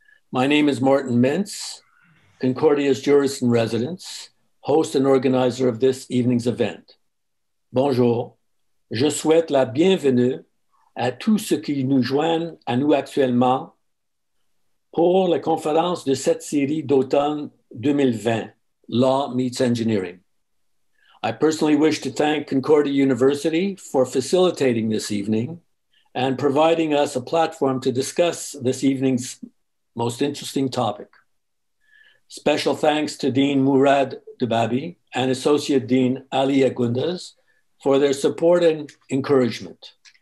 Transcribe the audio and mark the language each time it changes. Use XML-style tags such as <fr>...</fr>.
<en>My name is Morton Minc, Concordia's Jurist-in-Residence, host and organizer of this evening's event.</en> <fr>Bonjour. Je souhaite la bienvenue à tous ceux qui nous joignent à nous actuellement pour la conférence de cette série d'automne 2020, Law Meets Engineering.</fr> <en>I personally wish to thank Concordia University for facilitating this evening and providing us a platform to discuss this evening's most interesting topic. Special thanks to Dean Mourad Dababi and Associate Dean Ali Agundas for their support and encouragement.</en>